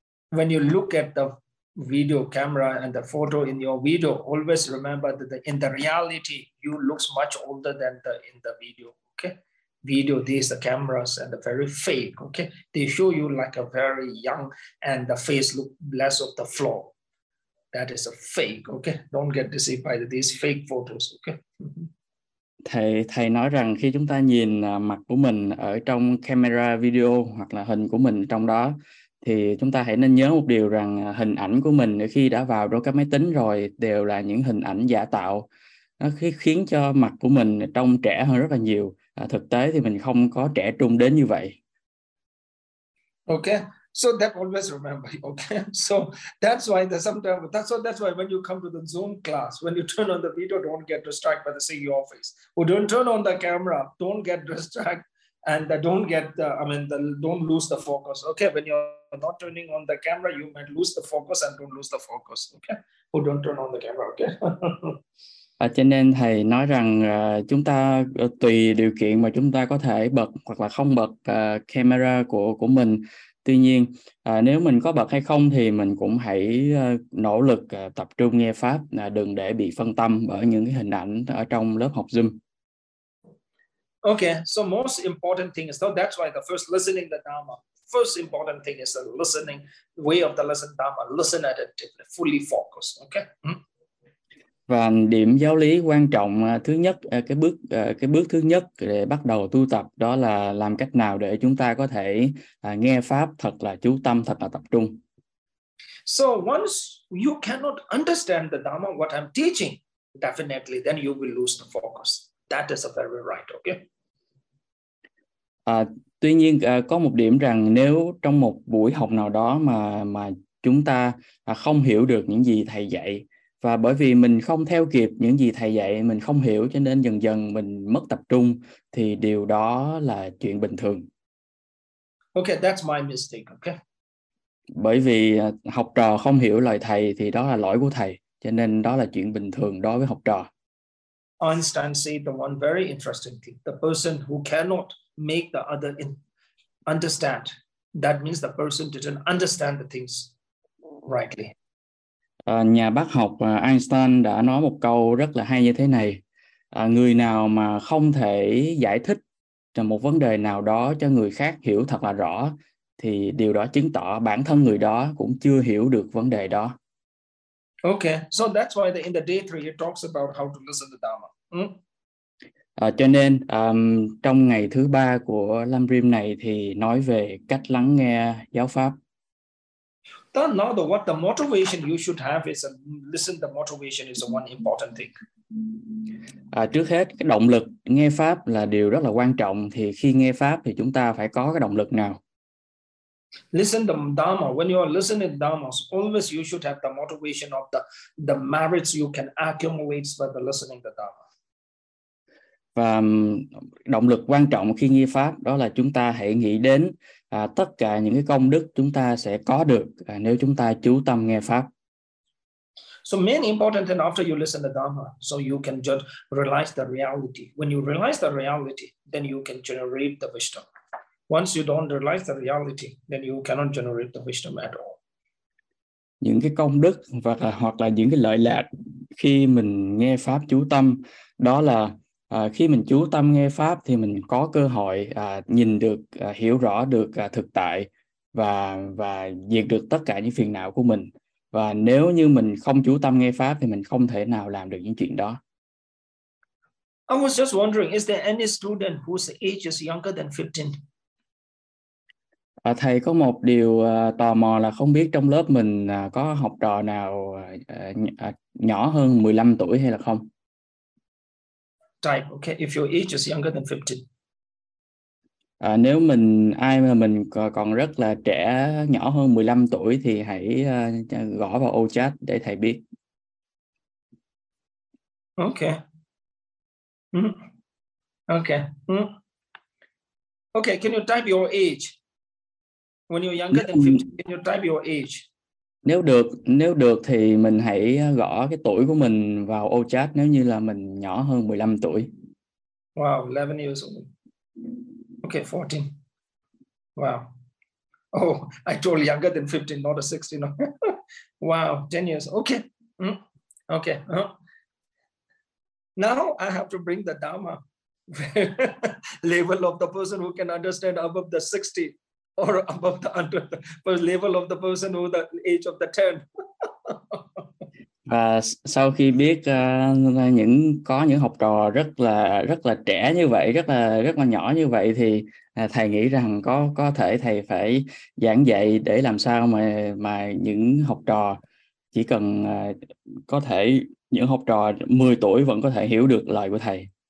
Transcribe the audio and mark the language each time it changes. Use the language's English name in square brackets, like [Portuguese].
[English] When you look at the video camera and the photo in your video, always remember that in the reality you looks much older than the in the video, okay? Video these, the cameras and the very fake, okay? They show you like a very young and the face look less of the flaw. That is a fake, okay? Don't get deceived by these fake photos, okay? [Vietnamese] Thầy nói rằng khi chúng ta nhìn mặt của mình ở trong camera video hoặc là hình của mình trong đó, thì chúng ta hãy nên nhớ một điều rằng hình ảnh của mình khi đã vào trong các máy tính rồi đều là những hình ảnh giả tạo. Nó khiến cho mặt của mình trông trẻ hơn rất là nhiều. Thực tế thì mình không có trẻ trung đến như vậy. [English] Okay, so that always remember. Okay, so that's why the sometimes that's why when you come to the Zoom class, when you turn on the video, don't get distracted by the CEO office. Or don't turn on the camera, don't get distracted, and don't lose the focus. Okay, when you're not turning on the camera, you might lose the focus and don't lose the focus. Okay, or don't turn on the camera. Okay. [Vietnamese] Cho nên thầy nói rằng chúng ta tùy điều kiện mà chúng ta có thể bật hoặc là không bật camera của mình. Tuy nhiên, nếu mình có bật hay không thì mình cũng hãy nỗ lực tập trung nghe pháp, đừng để bị phân tâm bởi những cái hình ảnh ở trong lớp học Zoom. [English] Okay, so most important thing is, so that's why the first listening the Dharma, first important thing is the listening, way of the listen Dharma, listen attentively, fully focus, okay? [Vietnamese] Và điểm giáo lý quan trọng thứ nhất, cái bước thứ nhất để bắt đầu tu tập đó là làm cách nào để chúng ta có thể nghe pháp thật là chú tâm, thật là tập trung. [English] So once you cannot understand the Dharma, what I'm teaching, definitely then you will lose the focus. That is a very right, okay? [Vietnamese] Tuy nhiên có một điểm rằng nếu trong một buổi học nào đó mà chúng ta không hiểu được những gì thầy dạy, và bởi vì mình không theo kịp những gì thầy dạy, mình không hiểu, cho nên dần dần mình mất tập trung, thì điều đó là chuyện bình thường. [English] Okay, that's my mistake, okay? [Vietnamese] Bởi vì học trò không hiểu lời thầy thì đó là lỗi của thầy, cho nên đó là chuyện bình thường đối với học trò. [English] Einstein said the one very interesting thing. The person who cannot make the other understand, that means the person didn't understand the things rightly. [Vietnamese] Nhà bác học Einstein đã nói một câu rất là hay như thế này. Người nào mà không thể giải thích một vấn đề nào đó cho người khác hiểu thật là rõ, thì điều đó chứng tỏ bản thân người đó cũng chưa hiểu được vấn đề đó. [English] Okay, so that's why in the day 3 he talks about how to listen to the Dharma. [Vietnamese] Cho nên trong ngày thứ 3 của Lam Rim này thì nói về cách lắng nghe giáo pháp. [English] Now the what the motivation you should have is listen. The motivation is the one important thing. [Vietnamese] Trước hết, cái động lực nghe pháp là điều rất là quan trọng. Thì khi nghe pháp thì chúng ta phải có cái động lực nào? [English] Listen the Dharma. When you are listening to Dharma, always you should have the motivation of the merits you can accumulate by the listening the Dharma. [Vietnamese] Và động lực quan trọng khi nghe pháp đó là chúng ta hãy nghĩ đến tất cả những cái công đức chúng ta sẽ có được nếu chúng ta chú tâm nghe pháp. [English] So main important thing after you listen to Dharma, so you can just realize the reality. When you realize the reality, then you can generate the wisdom. Once you don't realize the reality, then you cannot generate the wisdom at all. [Vietnamese] Những cái công đức hoặc là những cái lợi lạc khi mình nghe pháp chú tâm đó là khi mình chú tâm nghe pháp thì mình có cơ hội nhìn được, hiểu rõ được thực tại và diệt được tất cả những phiền não của mình. Và nếu như mình không chú tâm nghe pháp thì mình không thể nào làm được những chuyện đó. [English] I was just wondering, is there any student whose age is younger than 15? [Vietnamese] Thầy có một điều tò mò là không biết trong lớp mình có học trò nào nhỏ hơn 15 tuổi hay là không? [English] Type, okay, if your age is younger than 15. [Vietnamese] Nếu mình ai mà mình còn rất là trẻ, nhỏ hơn 15 tuổi thì hãy gõ vào ô chat để thầy biết. [English] Okay. Okay. Okay, can you type your age? When you're younger than 15, can you type your age? [Vietnamese] Nếu được thì mình hãy gõ cái tuổi của mình vào ô chat nếu như là mình nhỏ hơn 15 tuổi. [English] Wow, 11 years old. Okay, 14. Wow. Oh, I told younger than 15, not a 16. Wow, 10 years. Okay. Okay. Now I have to bring the Dharma level of the person who can understand above the 60 or above the 100, level of the person who the age of the 10. [Vietnamese] Và sau khi biết những có những học trò rất là trẻ như vậy, rất là nhỏ như vậy thì thầy nghĩ rằng có thể thầy phải giảng dạy để làm sao mà những học trò chỉ cần có thể những học trò 10 tuổi vẫn có thể hiểu được lời của thầy.